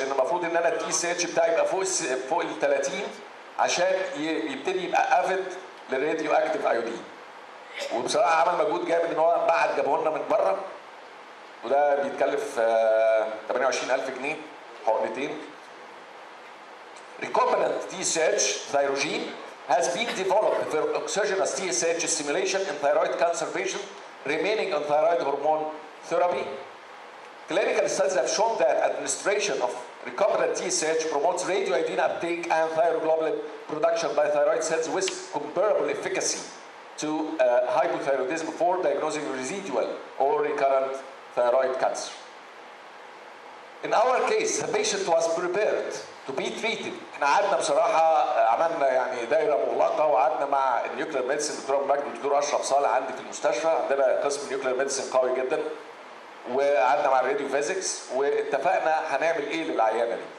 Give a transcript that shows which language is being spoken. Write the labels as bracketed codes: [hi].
[ar] ان المفروض ان انا التي اس اتش بتاعي يبقى فوق ال 30 عشان يبتدي يبقى افيد للراديو اكتيف ايودين. وبصراحة عمل مجهود جامد ان هو بعد جابهولنا من بره وده بيتكلف 28000 جنيه حقنتين. [en] Recombinant TSH thyrogen has been developed for exogenous TSH stimulation in thyroid cancer patients remaining on thyroid hormone therapy. Clinical studies have shown that administration of recombinant TSH promotes radioiodine uptake and thyroglobulin production by thyroid cells with comparable efficacy to hypothyroidism for diagnosing residual or recurrent thyroid cancer. In our case, the patient was prepared to be treated. [ar] احنا قعدنا بصراحة عملنا يعني دائرة مغلقة وقعدنا مع النيوكلير ميديسن دكتور مجد ودكتور أشرف صالح عندي في المستشفى، عندنا قسم نيوكلير ميديسن قوي جدا، وقعدنا مع الراديو فيزيكس واتفقنا هنعمل ايه للعيانة دي.